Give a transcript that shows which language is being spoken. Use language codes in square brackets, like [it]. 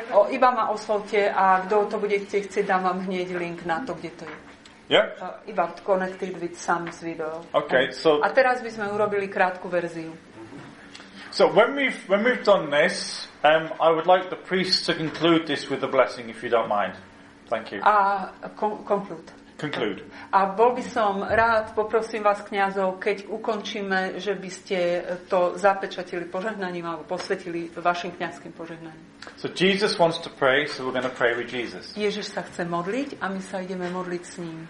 [sk] Iba ma oslovte a kto to bude chcieť, dám vám hneď link na to, kde to je. [en] Yeah. Iba connected with some z video. Okay, so. [sk] A teraz by sme urobili krátku verziu. [en] So when we've done this, I would like the priest to conclude this with a blessing, if you don't mind. Thank you. Conclude. conclude. [sk] A bol by som rád, poprosím vás kňazov, keď ukončíme, že by ste to zapečatili požehnaním alebo posvetili vašim kňazským požehnaním. [en] So Jesus wants to pray, so we're going to pray with Jesus. [sk] Ježiš sa chce modliť a my sa ideme modliť s ním.